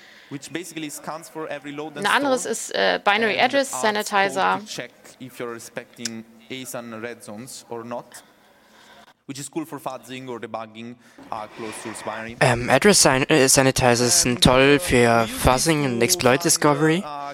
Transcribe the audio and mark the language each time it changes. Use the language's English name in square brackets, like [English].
[English] Which basically scans for every load and store. [German] Ein anderes ist Binary Address Sanitizer. [English] Check if you're respecting ASAN red zones or not. Which is cool for fuzzing or debugging closed source binary. [German] Address Sanitizers sind toll für Fuzzing und Exploit Discovery.